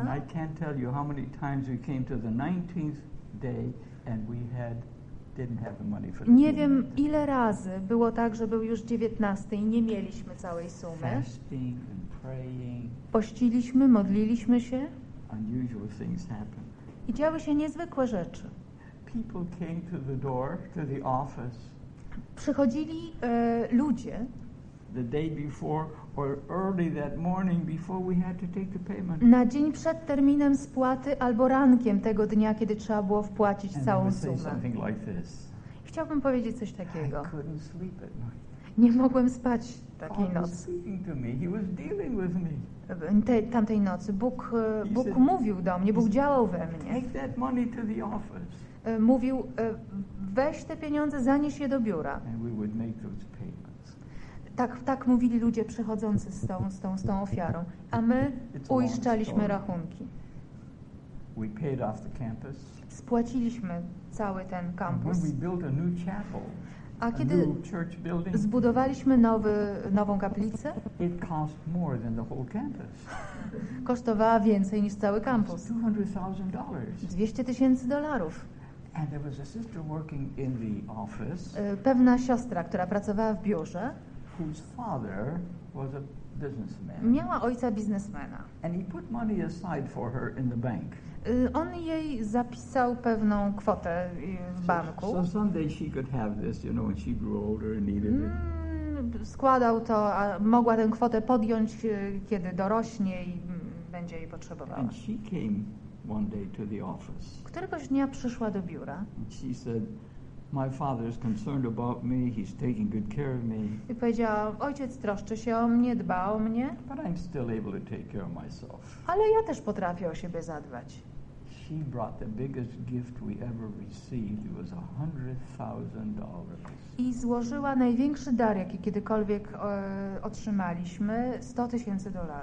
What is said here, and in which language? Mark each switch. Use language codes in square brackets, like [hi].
[en] And I can't tell you how many times we came to the 19th day and we had didn't have the money for the [pl] nie wiem, ile razy było tak, że był już 19 i nie mieliśmy całej sumy. [en] Fasting and praying. [pl] Pościliśmy, modliliśmy się. [en] Unusual things happen. [pl] I działy się niezwykłe rzeczy. [en] People came to the door, to the office. [pl] Przychodzili ludzie. [en] The day before or early that morning before we had to take the payment. [pl] Na dzień przed terminem spłaty albo rankiem tego dnia, kiedy trzeba było wpłacić [en] and [pl] całą sumę. [en] Say something like this. [pl] Chciałbym powiedzieć coś takiego. [en] I couldn't sleep at night. [pl] Nie mogłem spać takiej nocy. [en] God was speaking to me. He was dealing with me. [pl] Tamtej nocy Bóg [en] said, [pl] mówił do mnie, Bóg działał we mnie. [en] Take that money to the office. [pl] Mówił, weź te pieniądze, zanieś je do biura. [en] And we would make those payments. [pl] Tak mówili ludzie przychodzący z tą ofiarą. A my uiszczaliśmy rachunki. [en] We paid off the campus. [pl] Spłaciliśmy cały ten kampus. [en] When we built a new chapel, [pl] a kiedy [en] a new church building, [pl] zbudowaliśmy nową kaplicę, [en] it cost more than the whole campus. [pl] Kosztowała więcej niż cały kampus. [en] $200,000. And there was a sister working in the office. [pl] Pewna siostra, która pracowała w biurze, [en] whose father was a businessman. [pl] Miała ojca biznesmena. [en] And he put money aside for her in the bank. [pl] On jej zapisał pewną kwotę w banku. [en] So someday she could have this, you know, when she grew older and needed it. [pl] Składał to, a mogła tę kwotę podjąć, kiedy dorośnie i będzie jej potrzebowała. [en] And she came one day to the office. [pl] Któregoś dnia przyszła do biura. [en] And she said, my father is concerned about me. He's taking good care of me. [pl] I powiedziała, ojciec troszczy się o mnie, dba o mnie. [en] But I'm still able to take care of myself. [pl] Ale ja też potrafię o siebie zadbać. [en] She brought the biggest gift we ever received. It was $100,000. [pl] I złożyła największy dar, jaki kiedykolwiek otrzymaliśmy, $100,000.